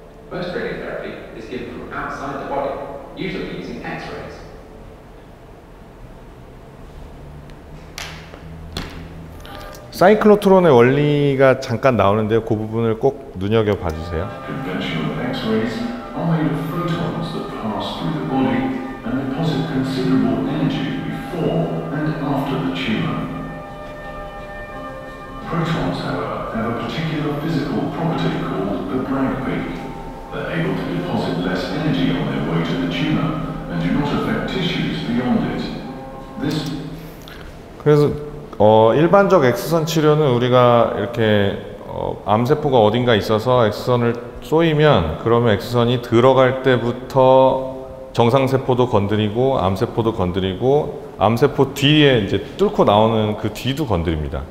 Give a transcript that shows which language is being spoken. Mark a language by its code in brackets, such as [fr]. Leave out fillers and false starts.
[en] Most radiotherapy is given from outside the body, usually using X-rays. [ko] 사이클로트론의 원리가 잠깐 나오는데요. 그 부분을 꼭 눈여겨 봐주세요. [en] Conventional X-rays are made of photons that pass through the body and deposit considerable energy before and after the tumor. Protons, however, have a particular physical property called the Bragg wave. They're able to deposit less energy on their way to the tumor and do not affect tissues beyond it. This. [ko] 그래서 일반적 X선 치료는 우리가 이렇게 암세포가 어딘가 있어서 X선을 쏘이면 그러면 X선이 들어갈 때부터 정상세포도 건드리고 암세포도 건드리고 암세포 뒤에 이제 뚫고 나오는 그 뒤도 건드립니다.